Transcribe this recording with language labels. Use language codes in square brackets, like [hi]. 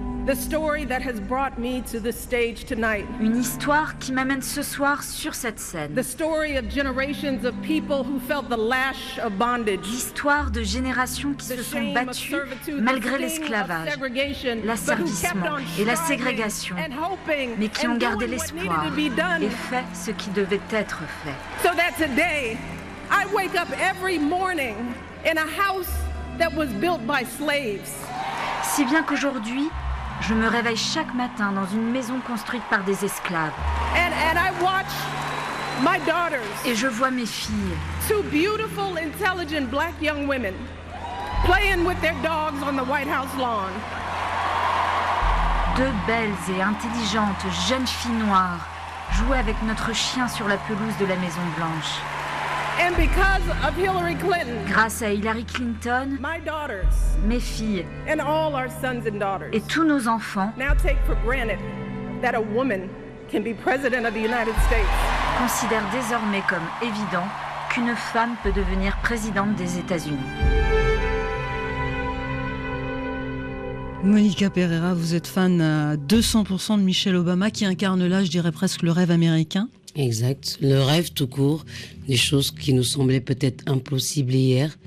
[en] The story that has brought me to this stage tonight. [fr] Une histoire qui m'amène ce soir sur cette scène. [en] The story of generations of people who felt the lash of bondage. [fr] L'histoire de générations qui [en] the [fr] se sont battues malgré l'esclavage, [en] segregation, [fr] l'asservissement et la ségrégation, mais qui ont gardé l'espoir et fait ce qui devait être fait. [en] So that today, I wake up every morning in a house that was built by slaves. [fr] Si bien qu'aujourd'hui, je me réveille chaque matin dans une maison construite par des esclaves. [en] And I watch My daughters. [fr] Et je vois mes filles. [en] Two beautiful, intelligent black young women playing with their dogs on the White House lawn. [fr] Deux belles et intelligentes jeunes filles noires jouaient avec notre chien sur la pelouse de la Maison Blanche. [en] And because of Hillary Clinton, [fr] grâce à Hillary Clinton, [en] my daughters, [fr] mes filles [en] and all our sons and daughters, [fr] et tous nos enfants [en] now take for granted that a woman can be president of the United States. [fr] Considèrent désormais comme évident qu'une femme peut devenir présidente des États-Unis. Monica Pereira, vous êtes fan à 200% de Michelle Obama, qui incarne là, je dirais presque, le rêve américain. Exact, le rêve tout court, des choses qui nous semblaient peut-être impossibles hier.